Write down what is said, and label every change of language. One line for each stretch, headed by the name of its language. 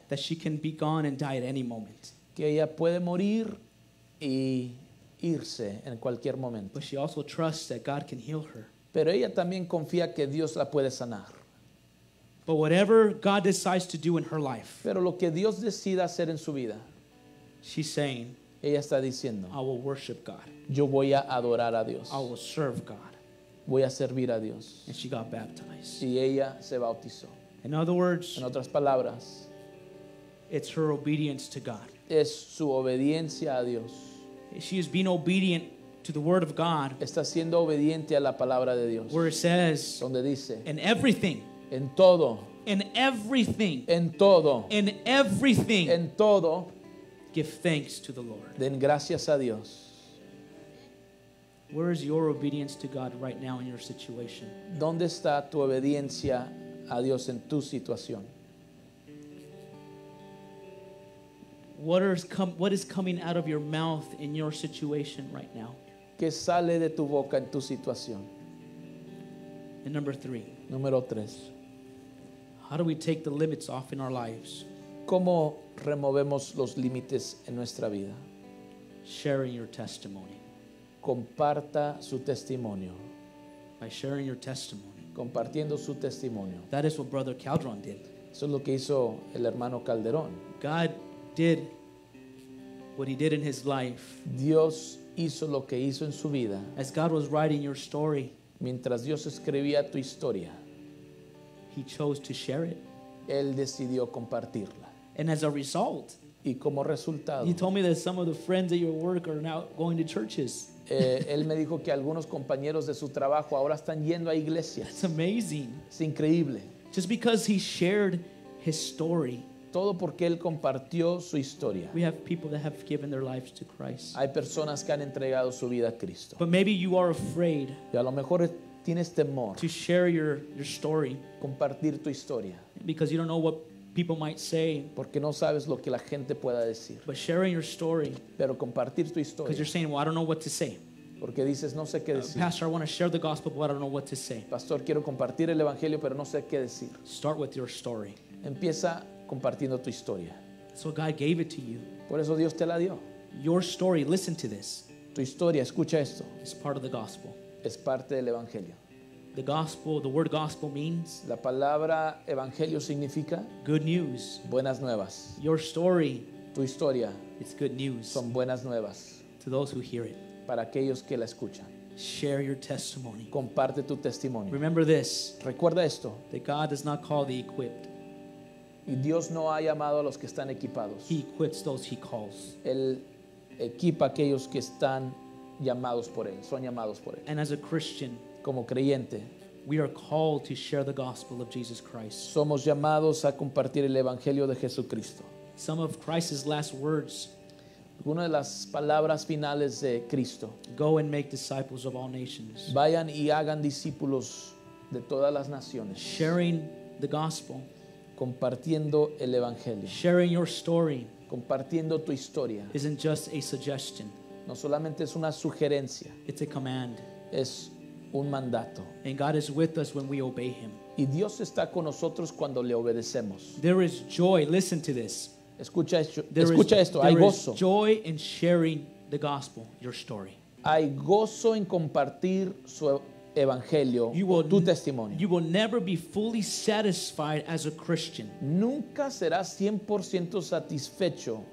English: That she can be gone and die at any moment.
Spanish: Que ella puede morir y irse en cualquier momento.
English: But she also trusts that God can heal her.
Spanish: Pero ella también confía que Dios la puede sanar.
English: But whatever God decides to do in her life.
Spanish: Pero lo que Dios decida hacer en su vida.
English: She's saying.
Spanish: Ella está diciendo.
English: I will worship God.
Spanish: Yo voy a adorar a Dios.
English: I will serve God.
Spanish: Voy a servir a Dios.
English: And she got baptized.
Spanish: Y ella se bautizó.
English: In other words.
Spanish: En otras palabras.
English: It's her obedience to God.
Spanish: Es su obediencia a Dios.
English: She is being obedient to the word of God.
Spanish: Está siendo obediente a la palabra de Dios.
English: Where it says.
Spanish: Donde dice.
English: In everything.
Spanish: En todo.
English: In everything.
Spanish: En todo.
English: In everything.
Spanish: En todo.
English: Give thanks to the Lord.
Spanish: Den gracias a Dios.
English: Where is your obedience to God right now in your situation?
Spanish: ¿Dónde está tu obediencia a Dios en tu situación?
English: What is coming out of your mouth in your situation right now?
Spanish: ¿Qué sale de tu boca en tu situación?
English: And number three.
Spanish: Número tres.
English: How do we take the limits off in our lives?
Spanish: ¿Cómo removemos los límites en nuestra vida?
English: Sharing your testimony.
Spanish: Comparta su testimonio.
English: By sharing your testimony.
Spanish: Compartiendo su testimonio.
English: That is what Brother Calderon did.
Spanish: Eso es lo que hizo el hermano Calderón.
English: God did what he did in his life.
Spanish: Dios hizo lo que hizo en su vida.
English: As God was writing your story.
Spanish: Mientras Dios escribía tu historia.
English: He chose to share it.
Spanish: Él decidió compartirla.
English: And as a result,
Spanish: y como resultado,
English: he told me that some of the friends at your work are now going to churches.
Spanish: él me dijo que algunos compañeros de su trabajo ahora están yendo a iglesias.
English: That's amazing.
Spanish: Es increíble.
English: Just because he shared his story.
Spanish: Todo porque él compartió su historia.
English: We have people that have given their lives to Christ.
Spanish: Hay personas que han entregado su vida a Cristo.
English: But maybe you are afraid.
Spanish: Y a lo mejor tienes temor.
English: To share your story.
Spanish: Compartir tu historia.
English: Because you don't know what people might say.
Spanish: Porque no sabes lo que la gente pueda decir.
English: But sharing your story.
Spanish: Pero compartir tu historia.
English: Because you're saying, well, I don't know what to say.
Spanish: Porque dices, no sé qué decir.
English: Pastor, I want to share the gospel, but I don't know what to say.
Spanish: Pastor, quiero compartir el evangelio, pero no sé qué decir.
English: Start with your story.
Spanish: Empieza compartiendo tu historia.
English: So God gave it to you.
Spanish: Por eso Dios te la dio.
English: Your story, listen to this.
Spanish: Tu historia, escucha esto.
English: It's part of the gospel.
Spanish: Es parte del evangelio.
English: The gospel, the word gospel means.
Spanish: La palabra evangelio significa.
English: Good news.
Spanish: Buenas nuevas.
English: Your story.
Spanish: Tu historia.
English: It's good news.
Spanish: Son buenas nuevas.
English: To those who hear it.
Spanish: Para aquellos que la escuchan.
English: Share your testimony.
Spanish: Comparte tu testimonio.
English: Remember this.
Spanish: Recuerda esto.
English: That God does not call the equipped.
Spanish: Y Dios no ha llamado a los que están equipados.
English: He equips those he calls.
Spanish: Él equipa a aquellos que están llamados por él. Son llamados por él.
English: And as a Christian.
Spanish: Como creyente,
English: we are called to share the gospel of Jesus Christ.
Spanish: Somos llamados a compartir el evangelio de Jesucristo.
English: Some of Christ's last words.
Spanish: Una de las palabras finales de Cristo.
English: Go and make disciples of all nations.
Spanish: Vayan y hagan discípulos de todas las naciones.
English: Sharing the gospel.
Spanish: Compartiendo el evangelio.
English: Sharing your story.
Spanish: Compartiendo tu historia.
English: Isn't just a suggestion.
Spanish: No solamente es una sugerencia.
English: It's a command.
Spanish: Es un mandato.
English: And God is with us when we obey him.
Spanish: Y Dios está con nosotros cuando le obedecemos.
English: There is joy. Listen to this.
Spanish: Escucha esto. There escucha is, esto. Hay gozo.
English: There is joy in sharing the gospel, your story.
Spanish: Hay gozo en compartir su evangelio, tu testimonio.
English: You will never be fully satisfied as a Christian.
Spanish: Nunca serás 100% satisfecho